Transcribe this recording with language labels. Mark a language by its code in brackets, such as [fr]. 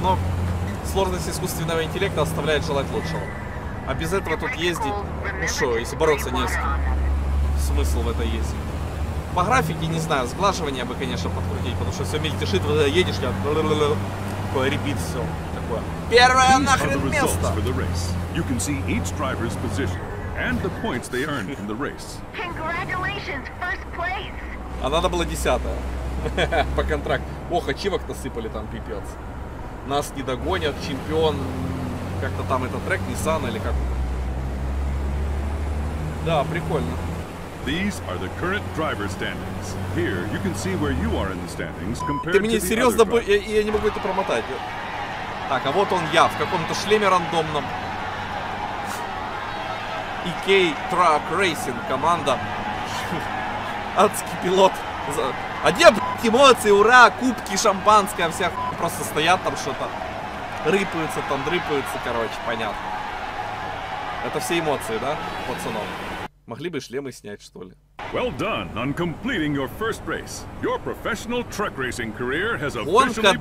[ru] Но сложность искусственного интеллекта оставляет желать лучшего. А без этого тут ездить... Ну что, если бороться не с кем. Смысл в этой есть. По графике, не знаю, сглаживание бы, конечно, подкрутить, потому что все мельтешит, вот едешь, я такое репит все такое. Первое нахрен место! [en] You can see each driver's position and the points they earned in the race. Congratulations, first place! [ru] А надо было десятое. По контракту. Ох, ачивок насыпали там, пипец. Нас не догонят, чемпион. Как-то там этот трек, Nissan или как. Да, прикольно. [en] These are the current driver standings. Here you can see where you are in the standings compared to the other. [ru] Ты мне серьезно бы я не могу это промотать. Так, а вот он я в каком-то шлеме рандомном. EK Truck Racing команда. Адский пилот. А где, блядь, эмоции, ура, кубки, шампанское, все просто стоят там что-то. Рыпаются там, дрыпаются, короче, понятно. Это все эмоции, да, пацанов? Могли бы шлемы снять, что ли? [en] Well done on completing your first race. Your professional truck racing career has officially begun.